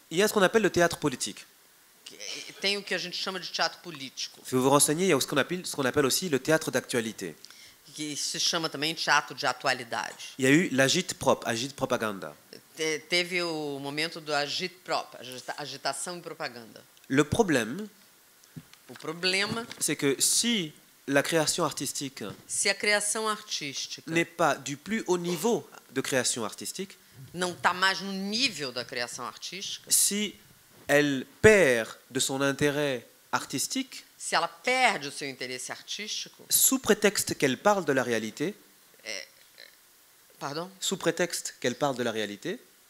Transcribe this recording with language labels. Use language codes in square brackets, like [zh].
[fr] il y a ce qu'on appelle le théâtre politique. [pt] Tem o que a gente chama de teatro político. [fr] Se vous vous renseignez, il y a ce qu'on appelle aussi le théâtre d'actualité. [pt] Que se chama também teatro de atualidade. [fr] Il y a eu l'agit-prop, agit-propaganda. [pt] Teve o momento do agit-prop, agitação e propaganda. [fr] Le problème, [pt] o problema, [fr] c'est que si la création artistique, [pt] se a criação artística [fr] n'est pas du plus haut niveau de création artistique, [pt] não está mais no nível da criação artística, [fr] si elle perd de son intérêt artistique. [pt] Se ela perde o seu interesse artístico. [fr] Sous prétexte qu'elle parle de la réalité. Pardon. Sous prétexte qu'elle parle de la réalité.